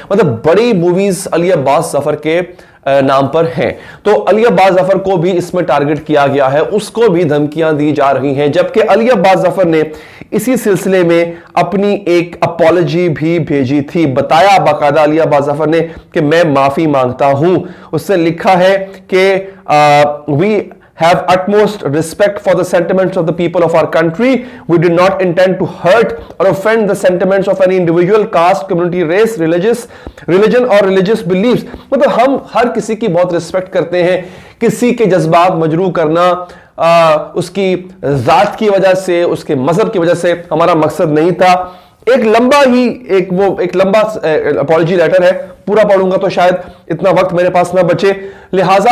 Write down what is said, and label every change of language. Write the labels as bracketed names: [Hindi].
[Hindi] मतलब बड़ी मूवीज अली अब्बास जफर के नाम पर हैं। तो अली अब्बास जफर को भी इसमें टारगेट किया गया है, उसको भी धमकियां दी जा रही हैं, जबकि अली अब्बास जफर ने इसी सिलसिले में अपनी एक अपॉलॉजी भी भेजी थी। बताया बाकायदा अली अब्बास जफर ने कि मैं माफी मांगता हूं। उससे लिखा है कि [English] We have utmost respect for the sentiments of the people of our country. We did not intend to hurt or offend the sentiments of any individual, caste, community, race, religion or religious beliefs. [Hindi] मतलब हम हर किसी की बहुत respect करते हैं, किसी के जज्बात मजरूह करना उसकी जात की वजह से, उसके मजहब की वजह से हमारा मकसद नहीं था। एक लंबा अपॉलॉजी लेटर है, पूरा पढ़ूंगा तो शायद इतना वक्त मेरे पास ना बचे, लिहाजा।